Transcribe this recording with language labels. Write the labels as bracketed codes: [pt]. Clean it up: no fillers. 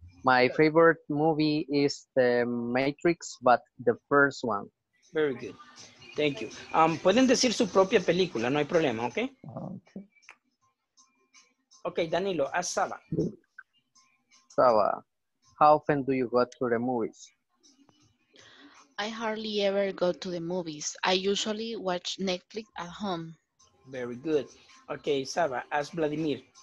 [en] My favorite movie is The Matrix, but the first one. Very good. Thank you. [es] Pueden decir su propia película, no hay problema, ¿ok? [en] Okay, Danilo, ask Saba. Saba, how often do you go to the movies? I hardly ever go to the movies. I usually watch Netflix at home. Very good. Okay, Saba, ask Vladimir.